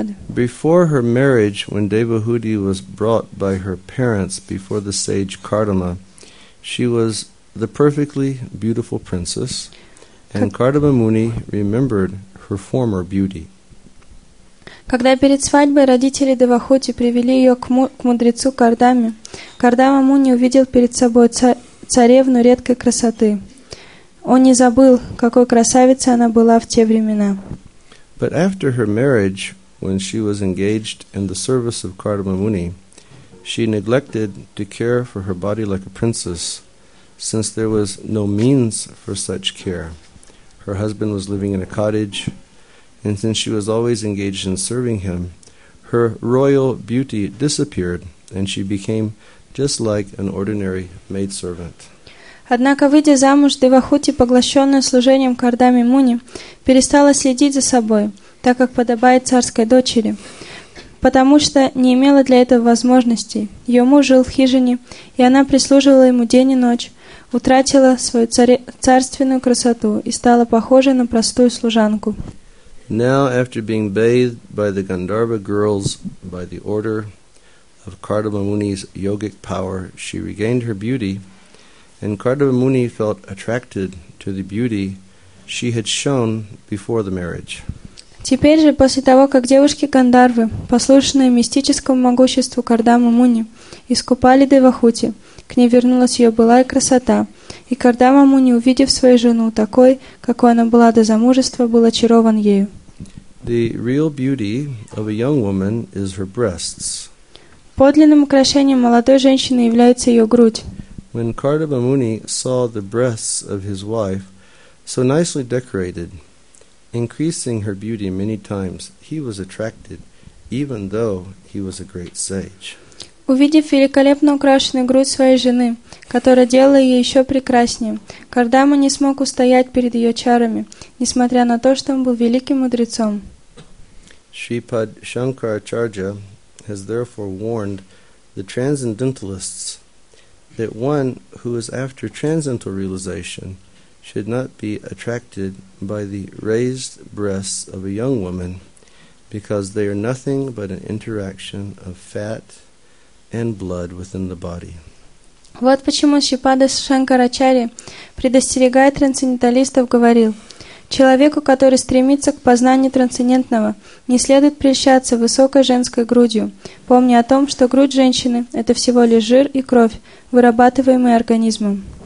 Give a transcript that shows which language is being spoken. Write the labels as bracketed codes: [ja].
[en] Before her marriage, when Devahuti was brought by her parents before the sage Kardama, she was the perfectly beautiful princess, and Kardama Muni remembered her former beauty. [ru] Когда перед свадьбой родители Девахути привели ее к мудрецу Кардаме, Кардама Муни увидел перед собой царевну редкой красоты. Он не забыл, какой красавицей она была в те времена. [en] But after her marriage, when she was engaged in the service of Kardama Muni, she neglected to care for her body like a princess, since there was no means for such care. Her husband was living in a cottage, and since she was always engaged in serving him, her royal beauty disappeared, and she became just like an ordinary maidservant. [ru] Однако, выйдя замуж, Девахути, поглощенная служением Кардаме Муни, перестала следить за собой, так как подобает царской дочери, потому что не имела для этого возможностей. Ее муж жил в хижине, и она прислуживала ему день и ночь, утратила свою царственную красоту и стала похожа на простую служанку. [en] Now, after being bathed by the Gandharva girls by the order of Kardama Muni's yogic power, she regained her beauty, and Kardama Muni felt attracted to the beauty she had shown before the marriage. [ru] Теперь же, после того, как девушки Гандарвы, послушные мистическому могуществу Кардама Муни, искупали Девахути, к ней вернулась ее былая красота, и Кардама Муни, увидев свою жену такой, какой она была до замужества, был очарован ею. [en] The real beauty of a young woman is her breasts. [ru] Подлинным украшением молодой женщины является ее грудь. [en] When Kardama Muni saw the breasts of his wife so nicely decorated, increasing her beauty many times, he was attracted, even though he was a great sage. [ru] Увидев великолепно украшенную грудь своей жены, которая делала ее еще прекраснее, Кардама не смог устоять перед ее чарами, несмотря на то, что он был великим мудрецом. [en] Shripad Shankaracharya has therefore warned the transcendentalists that one who is after transcendental realization should not be attracted by the raised breasts of a young woman, because they are nothing but an interaction of fat and blood within the body. [ru] Вот почему Шипада Шанкарачарья, предостерегая трансценденталистов, говорил: человеку, который стремится к познанию трансцендентного, не следует прельщаться высокой женской грудью, помня о том, что грудь женщины – это всего лишь жир и кровь, вырабатываемые организмом.